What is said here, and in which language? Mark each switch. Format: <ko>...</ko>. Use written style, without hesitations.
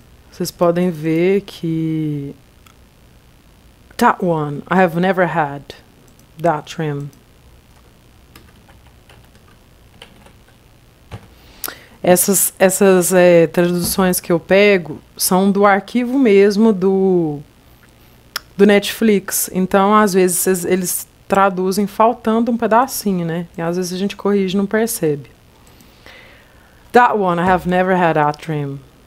<pt>Vocês podem ver que</pt> <en>that one, I have never had that dream.</en> <pt>Essas traduções que eu pego são do arquivo mesmo do Netflix. Então, às vezes, eles traduzem faltando um pedacinho, né? E às vezes a gente corrige e não percebe.</pt> <en>That one, I have never had that dream.</en>